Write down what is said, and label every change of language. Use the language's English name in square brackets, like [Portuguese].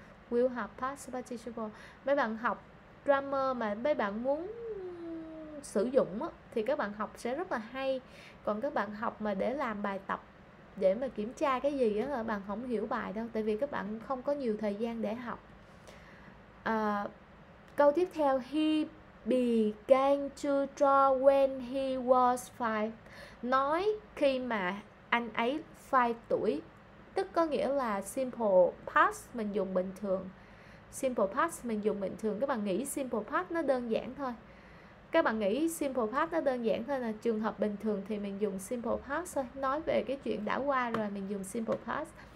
[English] Will have past participle. [Vietnamese] Mấy bạn học grammar mà mấy bạn muốn sử dụng á, thì các bạn học sẽ rất là hay. Còn các bạn học mà để làm bài tập, để mà kiểm tra cái gì á, là bạn không hiểu bài đâu, tại vì các bạn không có nhiều thời gian để học. Câu tiếp theo, [English] he began to draw when he was 5. [Vietnamese] Nói khi mà anh ấy 5 tuổi, tức có nghĩa là simple past mình dùng bình thường. Simple past mình dùng bình thường, các bạn nghĩ simple past nó đơn giản thôi. Các bạn nghĩ simple past nó đơn giản thôi, là trường hợp bình thường thì mình dùng simple past thôi, nói về cái chuyện đã qua rồi mình dùng simple past.